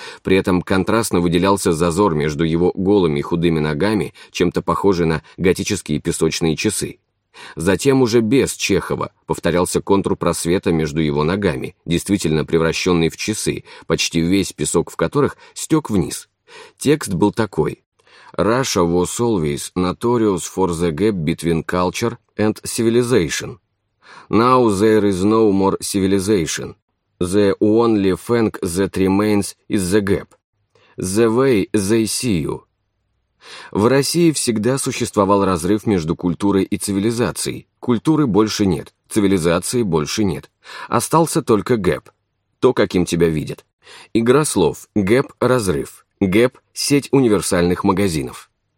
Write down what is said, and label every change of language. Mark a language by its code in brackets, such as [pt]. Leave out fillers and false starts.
[ru] При этом контрастно выделялся зазор между его голыми худыми ногами, чем-то похожий на готические песочные часы. Затем уже без Чехова повторялся контур просвета между его ногами, действительно превращенный в часы, почти весь песок в которых стек вниз. Текст был такой. [en] «Russia was always notorious for the gap between culture and civilization. Now there is no more civilization. The only thing that remains is the gap. The way they see you». [ru] В России всегда существовал разрыв между культурой и цивилизацией. Культуры больше нет, цивилизации больше нет. Остался только гэп, то, каким тебя видят. Игра слов «гэп» — разрыв. ГЭП – сеть универсальных магазинов.